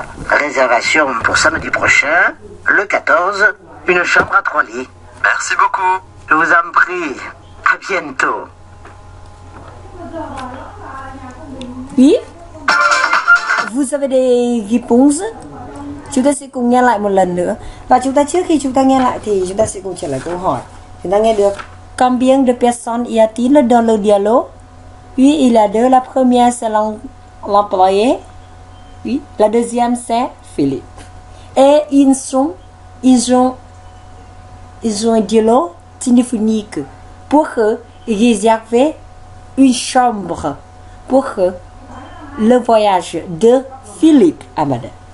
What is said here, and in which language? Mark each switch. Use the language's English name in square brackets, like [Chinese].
[French] Réservation pour samedi prochain, le 14, une chambre à trois lits. Merci beaucoup. Je vous en prie. À bientôt. Ý, vous avez des réponses? [Vietnamese] Chúng ta sẽ cùng nghe lại một lần nữa. Và chúng ta trước khi chúng ta nghe lại thì chúng ta sẽ cùng trả lời câu hỏi. Chúng ta nghe được. [French] Combien de personnes y a-t-il dans le dialogue? Oui, il y a deux. La première, c'est l'employé. Oui. La deuxième, c'est Philippe. Et ils ont un dialogue téléphonique pour réserver une chambre pour le voyage de Philippe Amada.